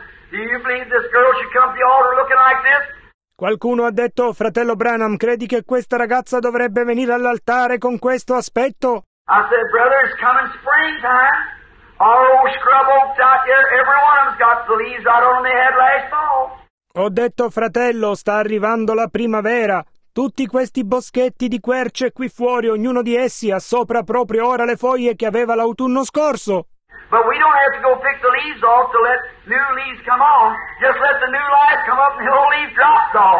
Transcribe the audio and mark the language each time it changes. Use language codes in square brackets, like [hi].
[en] Do you believe this girl should come to the altar looking like this? [it] Qualcuno ha detto, fratello Branham, credi che questa ragazza dovrebbe venire all'altare con questo aspetto? [en] I said, brother, it's coming springtime. Our old scrub oaks out here, every one of them's got the leaves out on their head last fall. [it] Ho detto, fratello, sta arrivando la primavera. Tutti questi boschetti di querce qui fuori, ognuno di essi ha sopra proprio ora le foglie che aveva l'autunno scorso. [en] But we don't have to go pick the leaves off to let new leaves come on. Just let the new life come up and the old leaf drops off.